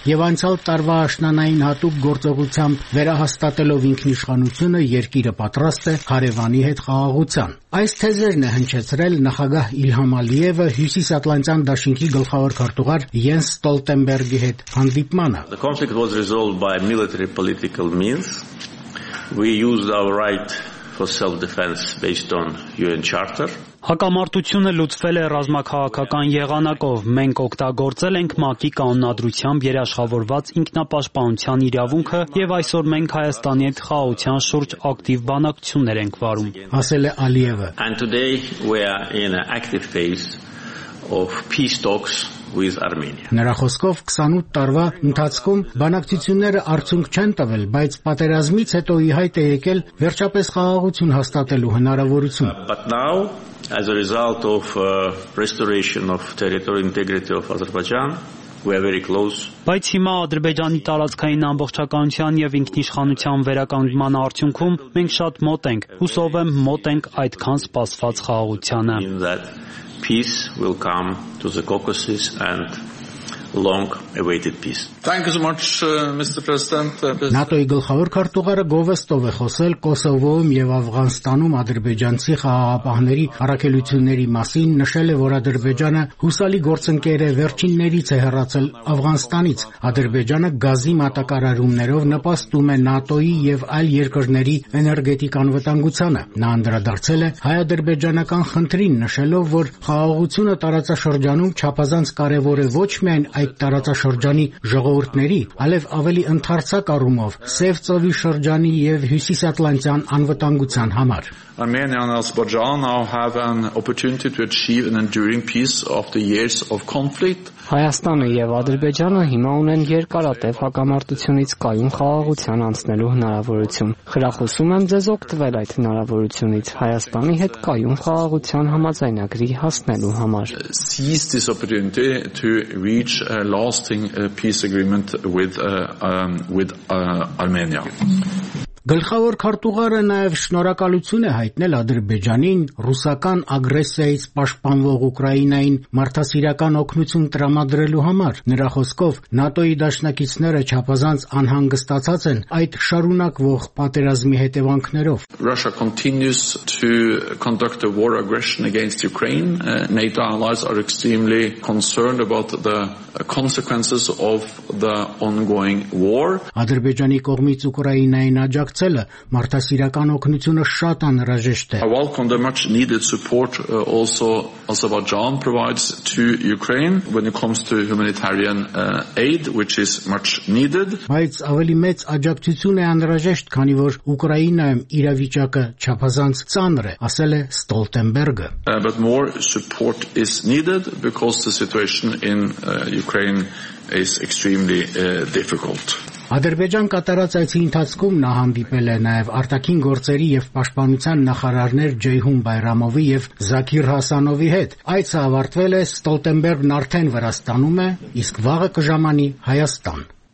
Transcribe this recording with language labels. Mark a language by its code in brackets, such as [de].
[hy] եւ անցյալ տարվա աշնանային հատուկ գործողությամբ վերահաստատելով ինքնիշխանությունը, երկիրը պատրաստ է Հարևանի հետ խաղաղության։ Այս թեզերն է հնչեցրել նախագահ Իլհամ Ալիևը հյուսիսատլանտյան դաշինքի գլխավոր քարտուղար Յենս Ստոլտենբերգի հետ հանդիպմանը։ [en] The conflict was resolved by military political means. We used our right for self-defense based on UN Charter. [hy] Հակամարտությունը լուծվել է ռազմաքաղաքական եղանակով։ Մենք օգտագործել ենք ՄԱԿ-ի կանոնադրությամբ երաշխավորված ինքնապաշտպանության իրավունքը եւ այսօր մենք Հայաստանի հետ խաղաղության շուրջ ակտիվ բանակցություններ ենք վարում, ասել է Ալիևը։ [en] And today we are in an active phase of peace talks with Armenia. [hy] Նրա խոսքով 28 տարվա ընթացքում բանակցությունները արդյունք չեն տվել, բայց պատերազմից հետո իհայտ է եկել վերջապես խաղաղություն հաստատելու հնարավորություն։ [en] But now as a result of restoration of territorial integrity of Azerbaijan we are very close [hy] բայց հիմա ադրբեջանի տարածքային ամբողջականության եւ ինքնիշխանության վերականգնման արդյունքում մենք շատ մոտ ենք հուսով եմ մոտ ենք այդքան սպասված խաղաղությանը [en] peace will come to the Caucasus and long awaited peace. Thank you so much Mr. President. [hy] ՆԱՏՕ-ի գլխավոր քարտուղարը Գովեստով է խոսել Կոսովոում եւ Աֆղանստանում ադրբեջանցի խաղաղապահների առաքելությունների մասին, նշել է, որ Ադրբեջանը հուսալի գործընկեր է վերջիններից է հեռացել Աֆղանստանից։ Ադրբեջանը գազի մատակարարումներով նպաստում է ՆԱՏՕ-ի եւ այլ երկրների էներգետիկ անվտանգությանը։ Նա անդրադարձել է հայ-ադրբեջանական խնդրին, նշելով, որ խաղաղությունը տարածաշրջանում չափազանց կարևոր է ոչ միայն այդ տարածաշրջանի ժողովուրդների, այլև ավելի ընդարձակ առումով Սև ծովի շրջանի եւ հյուսիսատլանտյան անվտանգության համար։ [en] Armenia and Azerbaijan now have an opportunity to achieve an enduring peace after years of conflict. [hy] Հայաստանը եւ Ադրբեջանը հիմա ունեն երկարատև հակամարտությունից կայուն խաղաղության անցնելու հնարավորություն։ Խրախուսում եմ ձեզ օգտվել այդ հնարավորությունից Հայաստանի հետ կայուն խաղաղության համաձայնագրի հասնելու համար։ [en] Seize this opportunity to reach a lasting peace agreement with Armenia. [hy] Գլխավոր քարտուղարը նաև շնորհակալություն է հայտնել Ադրբեջանին ռուսական ագրեսիայից պաշտպանվող Ուկրաինային մարդասիրական օգնություն տրամադրելու համար։ Նրա խոսքով ՆԱՏՕ-ի դաշնակիցները չափազանց անհանգստացած են այդ շարունակվող պատերազմի հետևանքներով։ [en] Russia continues to conduct a war aggression against Ukraine. NATO allies are extremely concerned about the consequences of the ongoing war. [hy] Ադրբեջանի կողմից Ուկրաինային աջակցություն ստեղծելը մարդասիրական օգնությունը շատ անհրաժեշտ է. [en] Welcome the much needed support also Azerbaijan provides to Ukraine when it comes to humanitarian aid which is much needed. [hy] Բայց ավելի մեծ աջակցություն է անհրաժեշտ, քանի որ Ուկրաինայում իրավիճակը չափազանց ծանր է, ասել է Stoltenberg-ը. [en] But more support is needed because the situation in Ukraine is extremely difficult. [hy] Ադրբեջան կատարած այս ընթացքում նա հանդիպել է նաև արտաքին գործերի եւ պաշտպանության նախարարներ Ջեյհուն Բայրամովի եւ Զաքիր Հասանովի հետ։ Այս ավարտվել է Ստոլտենբերգն արդեն Վրաստանում է, իսկ վաղը կժամանի Հայաստան։